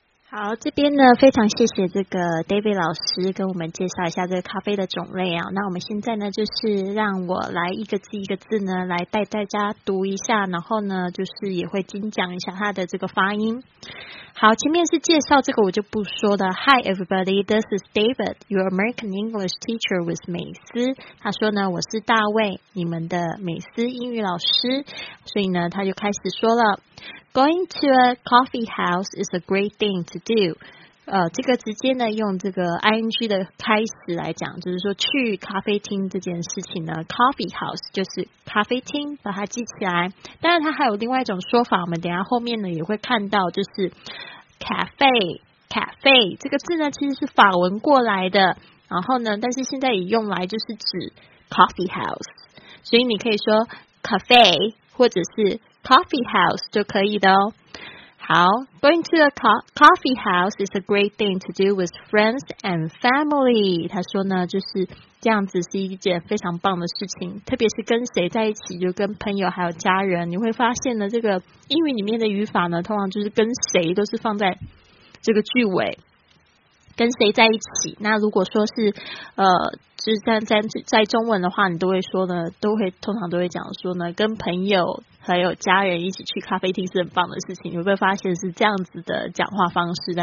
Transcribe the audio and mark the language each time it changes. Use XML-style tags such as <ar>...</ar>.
<zh>好，这边呢非常谢谢这个 David 老师跟我们介绍一下这个咖啡的种类啊。那我们现在呢就是让我来一个字一个字呢来带大家读一下，然后呢就是也会精讲一下它的这个发音。好，前面是介绍，这个我就不说了。</zh> <en>Hi everybody, this is David, your American English teacher with 美思。</en> <zh>他说呢，我是大卫，你们的美思英语老师。所以呢，他就开始说了。</zh> <en>Going to a coffee house is a great thing to do.</en> <zh>这个直接呢用这个 ing 的开始来讲，就是说去咖啡厅这件事情呢， coffee house 就是咖啡厅，把它记起来。当然它还有另外一种说法，我们等一下后面呢也会看到，就是 cafe, cafe, 这个字呢其实是法文过来的，然后呢但是现在也用来就是指 coffee house。所以你可以说 cafe, 或者是coffee house 就可以的哦。</zh> <en>好 ，going to a coffee house is a great thing to do with friends and family。</en> <zh>他说呢，就是这样子是一件非常棒的事情，特别是跟谁在一起，就跟朋友还有家人。你会发现呢，这个英语里面的语法呢，通常就是跟谁都是放在这个句尾，跟谁在一起。那如果说是就是在中文的话，你都会说呢，都会通常都会讲说呢，跟朋友还有家人一起去咖啡厅是很棒的事情。你会不会发现是这样子的讲话方式？</zh>